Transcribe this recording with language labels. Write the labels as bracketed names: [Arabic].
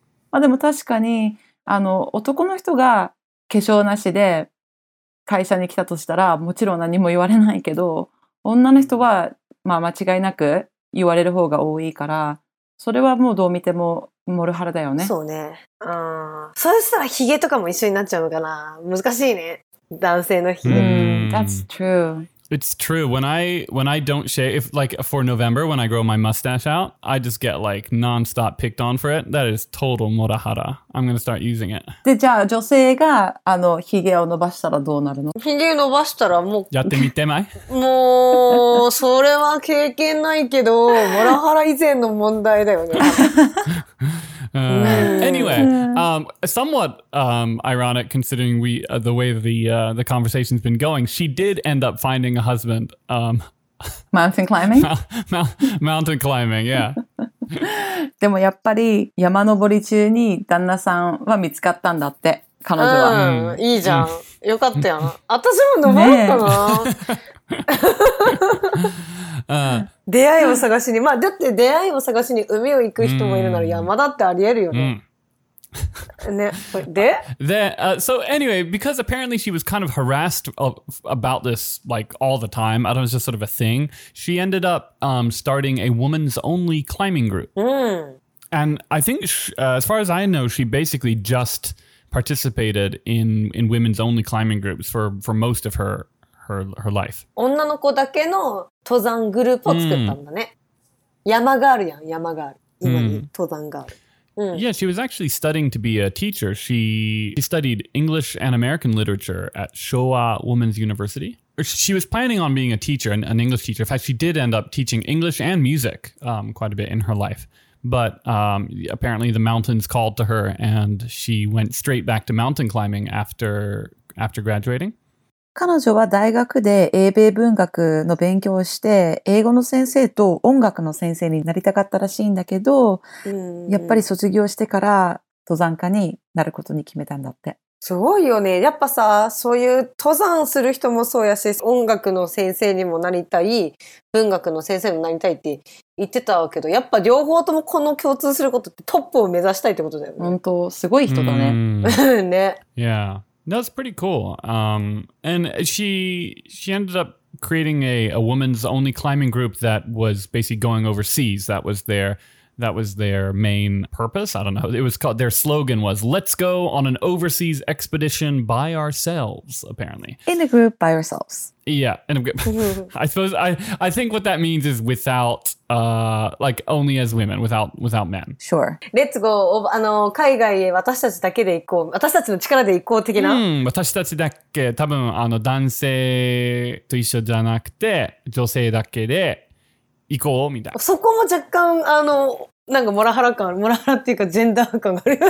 [Japanese] まあでも確かに、あの、男の人が化粧なしで会社に来たとしたら、もちろん何も言われないけど、女の人は、まあ間違いなく言われる方が多いから、それはもうどう見ても、モルハラだよね。そうね。そうしたらヒゲとかも一緒になっちゃうのかな。難しいね。男性のヒゲ。 [English] That's true. It's true. When I don't shave, if, like for November, when I grow my mustache out, I just get like non-stop picked on for it. That is total モルハラ。I'm gonna start using it. [Japanese] で、じゃあ女性が、あの、ヒゲを伸ばしたらどうなるの？ヒゲ伸ばしたらもう。やってみてまい。もう、それは経験ないけど、モルハラ以前の問題だよね。 [English] Anyway, somewhat ironic considering the way the conversation's been going, she did end up finding a husband. Mountain climbing? mountain climbing, yeah. [Japanese] でもやっぱり山登り中に旦那さんは見つかったんだって、彼女は。いいじゃん。よかったやん。私も登ったな。ね出会いを探しに、まあだって出会いを探しに海を行く人もいるなら山だってありえるよね。ね、で？ [English] で、so anyway, because apparently she was kind of harassed about this like all the time, I don't know, it's just sort of a thing, she ended up starting a woman's only climbing group. And I think, as far as I know, she basically just participated in women's only climbing groups for most of her life. [Japanese] 女の子だけの登山グループを作ったんだね。山ガールやん、山ガール。今に登山ガール。 [English] Yeah, she was actually studying to be a teacher. She studied English and American literature at Showa Women's University. She was planning on being a teacher, an English teacher. In fact, she did end up teaching English and music quite a bit in her life. But apparently the mountains called to her and she went straight back to mountain climbing after graduating. [Japanese] 彼女は大学で英米文学の勉強をして、英語の先生と音楽の先生になりたかったらしいんだけど、やっぱり卒業してから登山家になることに決めたんだって。すごいよね。やっぱさ、そういう登山する人もそうやし、音楽の先生にもなりたい、文学の先生にもなりたいって言ってたわけど、やっぱ両方ともこの共通することってトップを目指したいってことだよね。本当、すごい人だね。ね。 [English] Yeah. That's pretty cool. And she ended up creating a woman's only climbing group that was basically going overseas. That was their main purpose. I don't know. It was called, their slogan was, let's go on an overseas expedition by ourselves, apparently. In a group by ourselves. Yeah. And I suppose, I think what that means is without, like only as women, without men. Sure. Let's go, [Japanese] 海外へ私たちだけで行こう。私たちの力で行こう的な。私たちだけ、多分あの男性と一緒じゃなくて、女性だけで、行こうみたいな。そこも若干、あの、なんかモラハラ感、モラハラっていうかジェンダー感があるよね。